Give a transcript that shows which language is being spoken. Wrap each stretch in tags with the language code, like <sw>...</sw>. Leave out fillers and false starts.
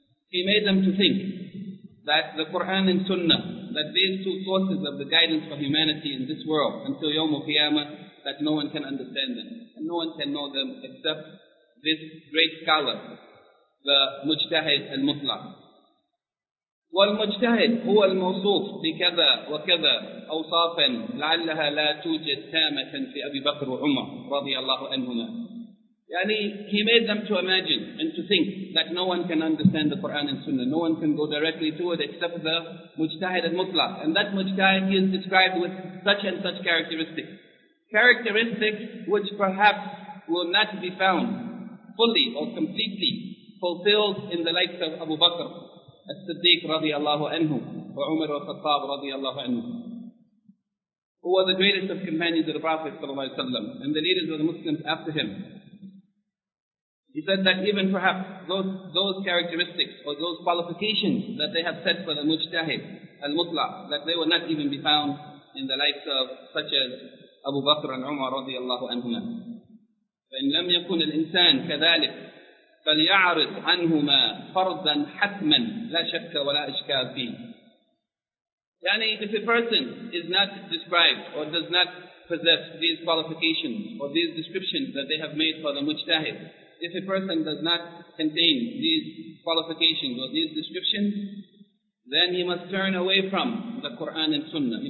<en>He made them to think that the Qur'an and Sunnah, that these two sources of the guidance for humanity in this world until Yawm al-Qiyamah, that no one can understand them, and no one can know them except this great scholar, the Mujtahid al-Mutlaq.</en> <ar>والمجتهد هو الموصوف بكذا وكذا أوصافا لعلها لا توجد تامة في أبي بكر وعمر رضي الله عنهما.</ar> <en>يعني he made them to imagine and to think that no one can understand the Quran and Sunnah, no one can go directly to it except the مجتهد المطلق. And that مجتهد is described with such and such characteristics, characteristics which perhaps will not be found fully or completely fulfilled in the likes of Abu Bakr الصديق رضي الله عنه وعمر الخطاب رضي الله عنه. Who were the greatest of companions of the Prophet صلى الله عليه وسلم and the leaders of the Muslims after him. He said that even perhaps those characteristics or those qualifications that they have set for the Mujtahid al-Mutlaq, that they will not even be found in the likes of such as Abu Bakr and Umar رضي الله عنهما.</en> <ar>فإن لم يكن الإنسان كذلك فليعرض عنهما فرضا حتما لا شك ولا اشكال فيه.</ar> <en>يعني if a person is not described or does not possess these qualifications or these descriptions that they have made for the mujtahid, if a person does not contain these qualifications or these descriptions, then he must turn away from the Quran and Sunnah.</en>